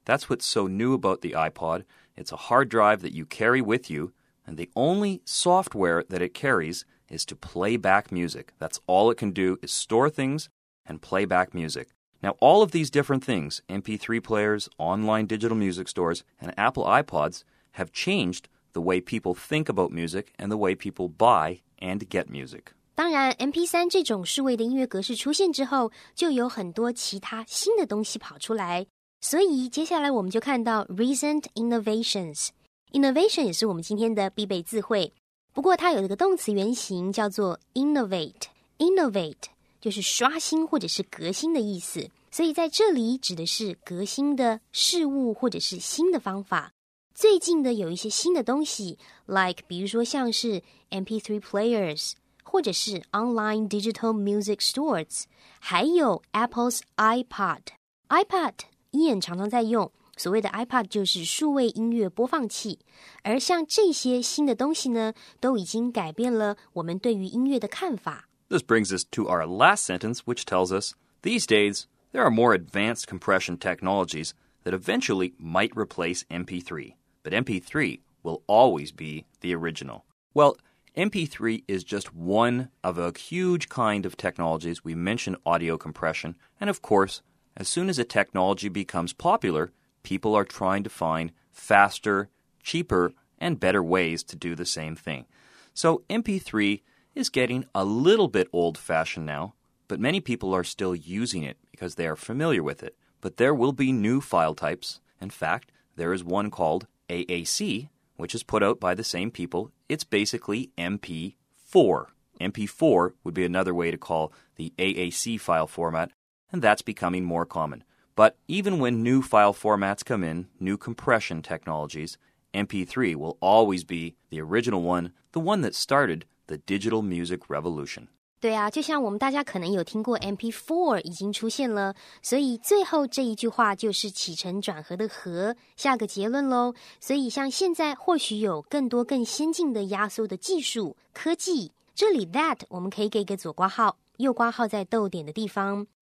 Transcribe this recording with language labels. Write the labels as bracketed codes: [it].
[en] That's what's so new about the iPod. It's a hard drive that you carry with you,And the only software that it carries is to play back music. That's all it can do is store things and play back music. Now, all of these different things, MP3 players, online digital music stores, and Apple iPods, have changed the way people think about music and the way people buy and get music. [zh] 当然 MP3 这种数位的音乐格式出现之后就有很多其他新的东西跑出来。所以接下来我们就看到 [en] recent innovations. [zh] Innovation 也是我们今天的必备字汇，不过它有一个动词原型叫做 innovate。 Innovate 就是刷新或者是革新的意思，所以在这里指的是革新的事物或者是新的方法。最近的有一些新的东西 ，like 比如说像是 MP3 players， 或者是 [en] online digital music stores， [zh] 还有 Apple's iPod。 iPod， Ian 常常在用。所谓的 iPod 就是数位音乐播放器，而像这些新的东西呢，都已经改变了我们对于音乐的看法。 [en] This brings us to our last sentence, which tells us, these days, there are more advanced compression technologies that eventually might replace MP3. But MP3 will always be the original. Well, MP3 is just one of a huge kind of technologies. We mentioned audio compression. And of course, as soon as a technology becomes popular,People are trying to find faster, cheaper, and better ways to do the same thing. So MP3 is getting a little bit old-fashioned now, but many people are still using it because they are familiar with it. But there will be new file types. In fact, there is one called AAC, which is put out by the same people. It's basically MP4. MP4 would be another way to call the AAC file format, and that's becoming more common. But even when new file formats come in, new compression technologies, MP3 will always be the original one, the one that started the digital music revolution. [zh] 对啊，就像我们大家可能有听过 MP4 已经出现了，所以最后这一句话就是起承转合的合，下个结论咯。所以像现在或许有更多更先进的压缩的技术、科技，这里 that 我们可以给个左括号，右括号在逗点的地方。